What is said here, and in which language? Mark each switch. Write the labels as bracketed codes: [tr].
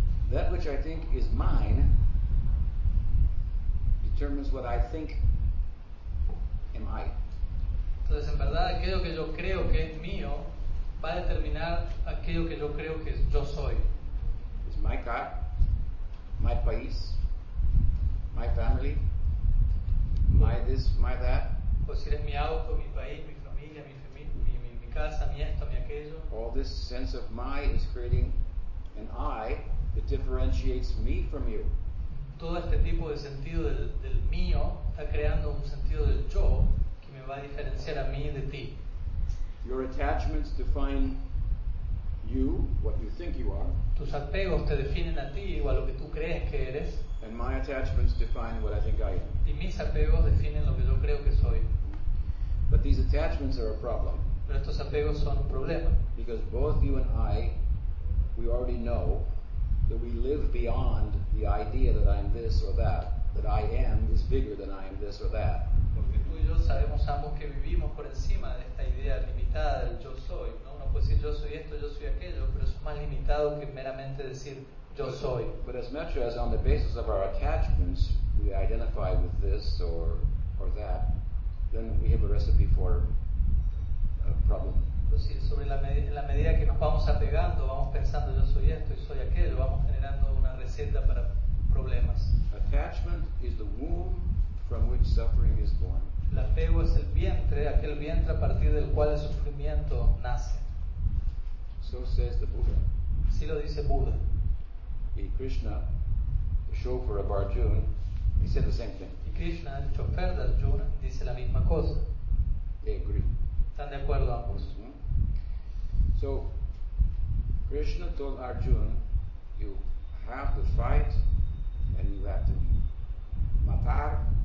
[en] That which I think is mine determines what I think am I. [es] Entonces, en verdad, aquello que yo creo que es mío va a determinar aquello que yo creo que yo soy. [en] It's my car, my país, my family, my this, my that. [es] Pues si eres mi auto, mi país, mi familia, mi casa, mi esto, mi aquello. [en] All this sense of my is creating an I that differentiates me from you. [es] Todo este tipo de sentido del mío está creando un sentido del yo que me va a diferenciar a mí de ti. [en] Your attachments define you, what you think you are. [es] Tus apegos te definen a ti o a lo que tú crees que eres. [en] And my attachments define what I think I am. [es] Y mis apegos definen lo que yo creo que soy. [en] But these attachments are a problem. [es] Pero estos apegos son un problema. [en] Because both you and I, we already know that we live beyond the idea that I am this or that, that I am is bigger than I am this or that. [es] Y yo sabemos ambos que vivimos por encima de esta idea limitada del yo soy, ¿no? Uno puede decir yo soy esto, yo soy aquello, pero eso es más limitado que meramente decir yo soy. [en] But as much as on the basis of our attachments we identify with this or that, then we have a recipe for a problem. [es] Pues sí, sobre la medida que nos vamos apegando, vamos pensando yo soy esto y soy aquello, vamos generando una receta para problemas. [en] Attachment is the womb from which suffering is born. [es] El apego es el vientre, aquel vientre a partir del cual el sufrimiento nace. [en] So says the Buddha. [es] Así lo dice Buda. [en] Y Krishna, the chauffeur of Arjuna, he said the same thing. [es] Y Krishna, el chofer de Arjuna, dice la misma cosa. [en] They agree. [es] Están de acuerdo ambos. [en] So, Krishna told Arjuna, you have to fight and you have to matar.